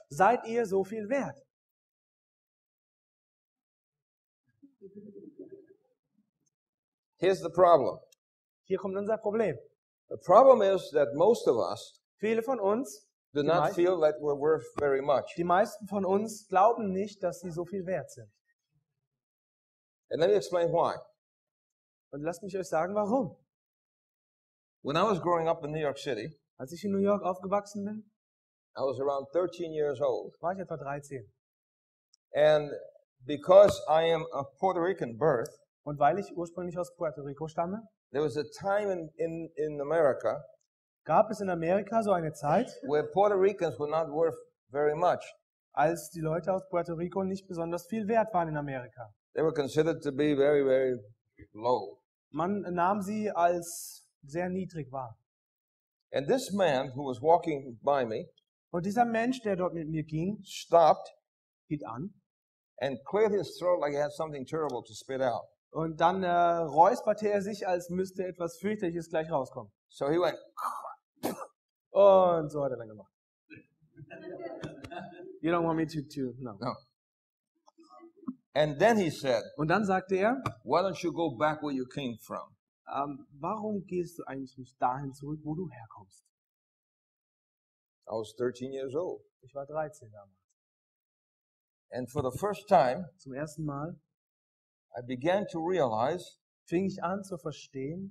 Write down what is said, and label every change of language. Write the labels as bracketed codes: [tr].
[de] Seid ihr so viel wert? [en] Here's the problem. [de] Hier kommt unser Problem. [en] The problem is that most of us [de] viele von uns [en] do not feel that we're worth very much. [de] Die meisten von uns glauben nicht, dass sie so viel wert sind. [en] And let me explain why. [de] Und lasst mich euch sagen, warum. [en] When I was growing up in New York City, [de] als ich in New York aufgewachsen bin, [en] I was around 13 years old. [de] War ich etwa 13. [en] And because I am of Puerto Rican birth, [de] und weil ich ursprünglich aus Puerto Rico stamme, [en] there was a time in America, [de] gab es in Amerika so eine Zeit, [en] where Puerto Ricans were not worth very much. [de] Als die Leute aus Puerto Rico nicht besonders viel wert waren in Amerika. [en] They were considered to be very, very low. [de] Man nahm sie als sehr niedrig wahr. [en] And this man who was walking by me, [de] und dieser Mensch, der dort mit mir ging, [en] stopped, [de] hielt an, [en] and cleared his throat like he had something terrible to spit out. [de] Und dann räusperte er sich, als müsste etwas Fürchterliches gleich rauskommen. [en] So he went. [de] Und so hat er dann gemacht. [en] You don't want me to no. No. And then he said, [de] und dann sagte er, [en] why don't you go back where you came from? [de] Warum gehst du eigentlich nicht dahin zurück, wo du herkommst? [en] I was 13 years old. [de] Ich war 13 damals. [en] And for the first time, [de] zum ersten Mal, [en] I began to realize, [de] fing ich an zu verstehen,